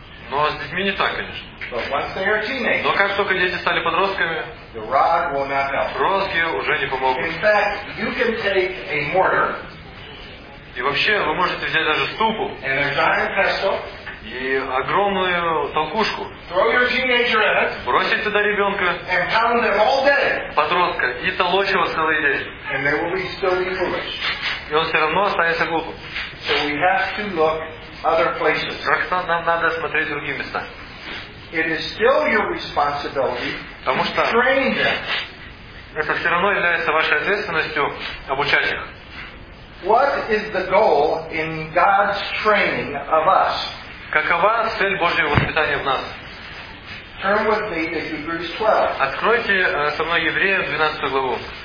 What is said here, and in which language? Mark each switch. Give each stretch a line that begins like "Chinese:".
Russian: Но с детьми не так, конечно.
English: Teenagers,
Russian: но как только дети стали подростками, розги уже не помогут.
English: In fact, you can take a mortar,
Russian: и вообще, вы можете взять даже ступу
English: and a giant pestle,
Russian: и огромную толкушку,
English: throw your teenager at it,
Russian: бросить туда ребенка,
English: and pound them all day,
Russian: подростка, и толочь его целый день.
English: And they will be still foolish.
Russian: И он все равно останется глупым.
English: So we have to look other places.
Russian: Так что нам надо смотреть другие места.
English: It is still your responsibility to train them.
Russian: Это все равно является вашей ответственностью обучать их.
English: What is the goal in God's training of us?
Russian: Какова цель Божьего воспитания в нас?
English: Turn with me to Hebrews 12.
Russian: Откройте со мной Евреям 12 главу.